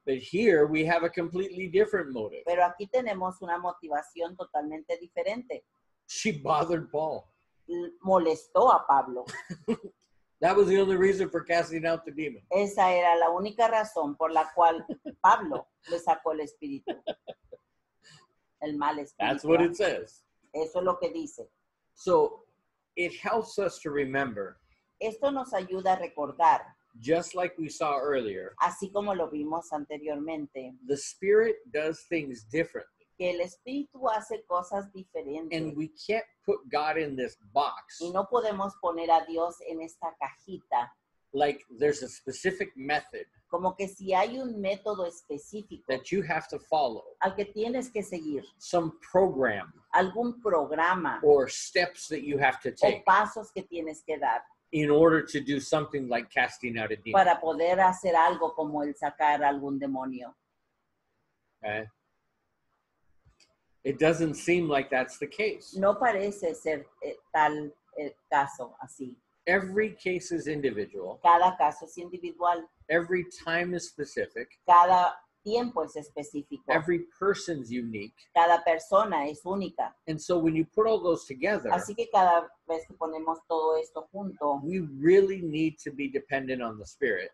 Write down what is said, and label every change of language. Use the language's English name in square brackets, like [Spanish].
[English] But here we have a completely different motive. [Spanish] Pero aquí tenemos una motivación totalmente diferente. [English] She bothered Paul. [Spanish] Molestó a Pablo. [English] That was the only reason for casting out the demon. [Spanish] Esa era la única razón por la cual Pablo le sacó el espíritu. El mal espíritu. [English] That's what it says. [Spanish] Eso es lo que dice. [English] So, it helps us to remember. [Spanish] Esto nos ayuda a recordar. [English] Just like we saw earlier. [Spanish] Así como lo vimos anteriormente. [English] The spirit does things differently. [Spanish] Que el espíritu hace cosas diferentes. [English] And we can't put God in this box. [Spanish] Y no podemos poner a Dios en esta cajita. [English] Like there's a specific method. [Spanish] Como que si hay un método específico. [English] That you have to follow. [Spanish] Al que tienes que seguir. [English] Some program. [Spanish] Algún programa. [English] Or steps that you have to take. [Spanish] O pasos que tienes que dar. [English] In order to do something like casting out a demon. [Spanish] Para poder hacer algo como el sacar algún demonio. [English] Okay. It doesn't seem like that's the case. [Spanish] No parece ser tal caso así. [English] Every case is individual. [Spanish] Cada caso es individual. [English] Every time is specific. [Spanish] Cada tiempo es específico. [English] Every person's unique. [Spanish] Cada persona es única. [English] And so when you put all those together, [Spanish] así que cada vez que ponemos todo esto junto, [English] we really need to be dependent on the Spirit.